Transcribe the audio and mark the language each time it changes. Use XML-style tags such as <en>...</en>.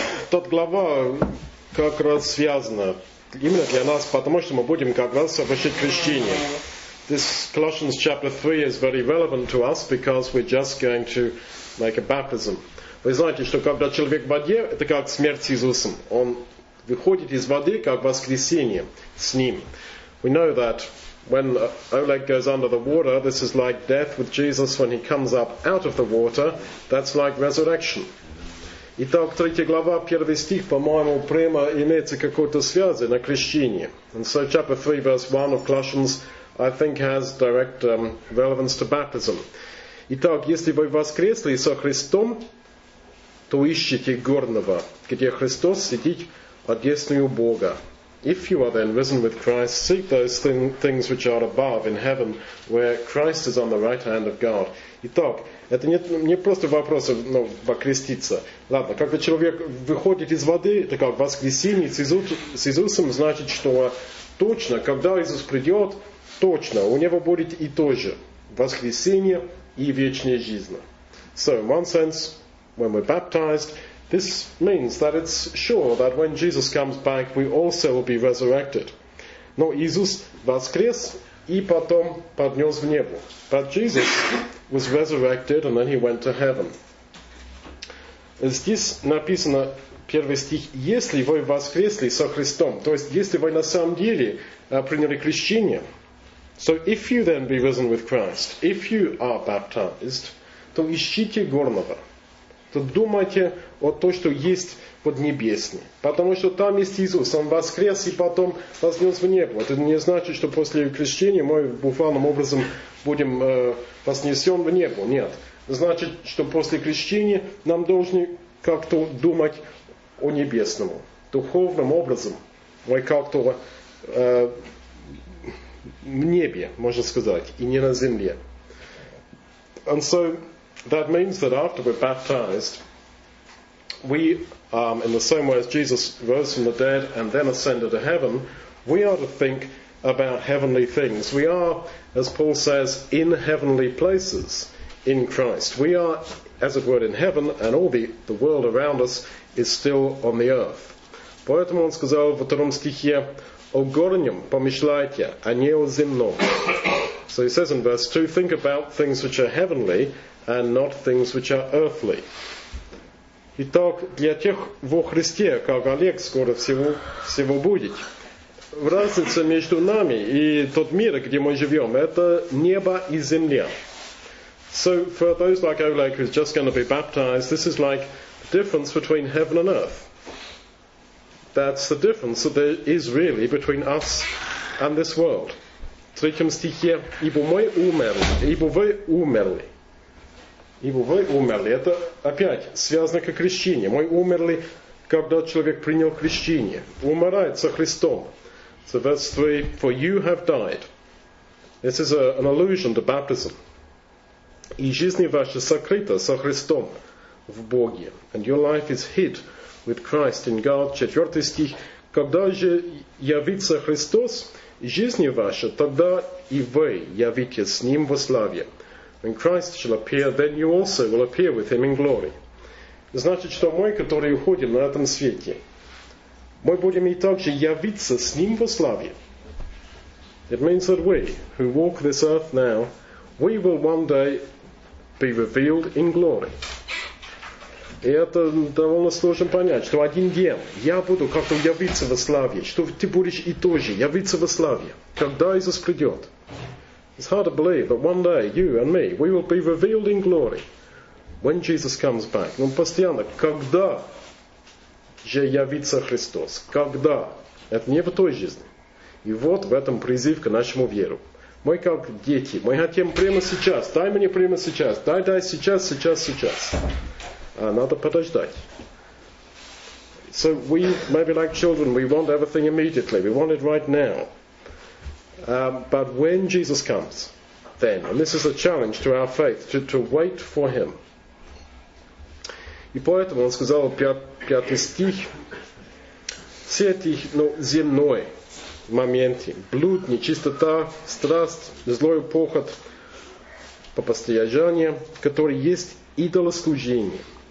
<ru>Тот глава как раз связана именно для нас, потому что мы будем как раз совершить крещение.</ru> <en>This Colossians chapter 3 is very relevant to us because we're just going to make a baptism.</en> <ru>Вы знаете, что когда человек в воде, это как смерть с Иисусом. Он выходит из воды как воскресение с ним.</ru> <en>We know that when Oleg goes under the water, this is like death with Jesus when he comes up out of the water. That's like resurrection.</en> <ru>Итак, 3 глава, 1 стих, по-моему, прямо имеется какой-то связи на крещение.</ru> <en>And so chapter 3, verse 1 of Colossians, I think has direct relevance to baptism.</en> <ru>Итак, если вы воскресли со Христом, то ищите горного, где Христос сидит одесную Бога.</ru> <en>If you are then risen with Christ, seek those things which are above in heaven, where Christ is on the right hand of God.</en> <ru>Итак, это не просто вопрос, ну, покреститься. Ладно, когда человек выходит из воды, это как воскресение с Иисусом, значит, что точно, когда Иисус придет, точно, у него будет и то же воскресение и вечная жизнь.</ru> <en>So, in one sense, when we're baptized, this means that it's sure that when Jesus comes back, we also will be resurrected.</en> <ru>Но Иисус воскрес и потом поднялся в небо.</ru> <en>But Jesus was resurrected and then he went to heaven.</en> <ru>Здесь написано первый стих: если вы воскресли со Христом, то есть если вы на самом деле приняли крещение.</ru> <en>So if you then be risen with Christ, if you are baptized,</en> <ru>то ищите горного. То думайте о том, что есть под небесный. Потому что там есть Иисус. Он воскрес и потом вознес в небо. Это не значит, что после крещения мы буквальным образом будем вознесен в небо. Нет. Значит, что после крещения нам должны как-то думать о небесном. Духовным образом. Мы как-то в небе, можно сказать, и не на земле.</ru> <en>And so, that means that after we're baptized, we, in the same way as Jesus rose from the dead and then ascended to heaven, we are to think about heavenly things. We are, as Paul says, in heavenly places in Christ. We are, as it were, in heaven, and all the world around us is still on the earth.</en> <ru>Поэтому он сказал в втором стихе, «О горнем помышляйте, а не о земном».</ru> <en>So he says in verse 2, think about things which are heavenly and not things which are earthly.</en> <ru>Итак, для тех во Христе, как Олег скоро всего будет, разница между нами и тот мир, где мы живем, это небо и земля.</ru> <en>So for those like Oleg who's just going to be baptized, this is like the difference between heaven and earth. That's the difference that there is really between us and this world.</en> <ru>В третьем стихе, ибо вы умерли, это опять связано к крещению. Мы умерли, когда человек принял крещение. Умирает со Христом.</ru> <en>So verse 3, for you have died. This is an allusion to baptism.</en> <ru>И жизнь ваша сокрыта со Христом в Боге.</ru> <en>And your life is hid with Christ in God.</en> <ru>Четвертый стих, когда же явится Христос, жизнь ваша, тогда и вы явитесь с Ним во славе.</ru> <en>When Christ shall appear, then you also will appear with Him in glory.</en> <ru>Значит, что мы, которые уходим на этом свете, мы будем и также явиться с Ним во славе.</ru> <en>It means that we, who walk this earth now, we will one day be revealed in glory.</en> <ru>И это довольно сложно понять, что один день я буду как-то явиться во славе, что ты будешь и тоже явиться во славе, когда Иисус придет.</ru> <en>It's hard to believe, but one day, you and me, we will be revealed in glory when Jesus comes back.</en> <ru>Но постоянно, когда же явится Христос? Когда? Это не в той жизни. И вот в этом призыв к нашему веру. Мы как дети, мы хотим прямо сейчас, дай мне прямо сейчас, дай сейчас, сейчас, сейчас. А надо подождать.</ru> <en>So we, maybe like children, we want everything immediately. We want it right now. But when Jesus comes, then, and this is a challenge to our faith, to wait for Him.</en> <ru>И поэтому он сказал, пятый стих, все эти земные моменты, блуд, нечистота, страсть, злой похоть, по постоянию, которые есть идолослужение.</ru>